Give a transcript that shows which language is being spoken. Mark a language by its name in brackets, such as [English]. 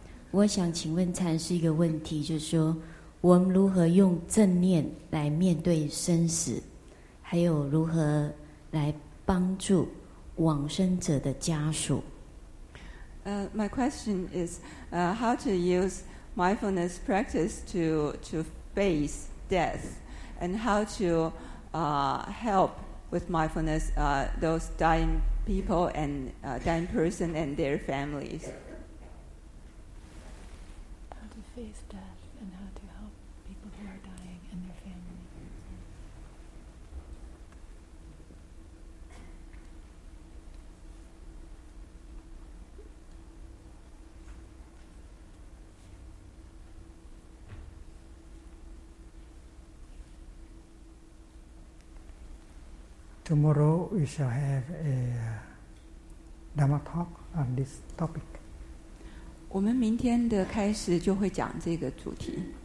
[Chinese] 我想请问禅师一个问题，就是说，我们如何用正念来面对生死，还有如何来帮助往生者的家属。 [English] My question is, how to use mindfulness practice to face death, and how to help with mindfulness those dying people and dying person and their families. How to face death and how to help people who are dying and their families. Tomorrow we shall have a Dhamma talk on this topic. [Chinese] 我们明天的开始就会讲这个主题。